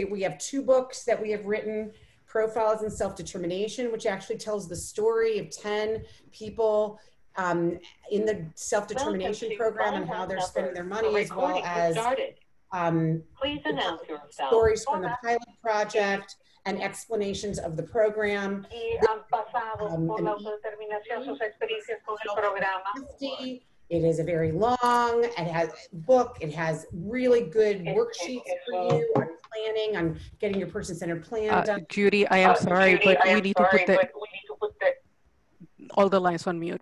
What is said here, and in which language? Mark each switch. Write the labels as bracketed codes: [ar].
[en] We have two books that we have written, Profiles in Self-Determination, which actually tells the story of 10 people in the self-determination program and how they're spending their money, as well as please announce yourself. Stories from the pilot project and explanations of the program. [es] Y han pasado por la autodeterminación sus experiencias con el programa. [en] It is a very long, it has book, it has really good worksheets for you on planning, on getting your person-centered plan done. Judy, I am sorry, Judy, but, we need to put that, all the lines on mute,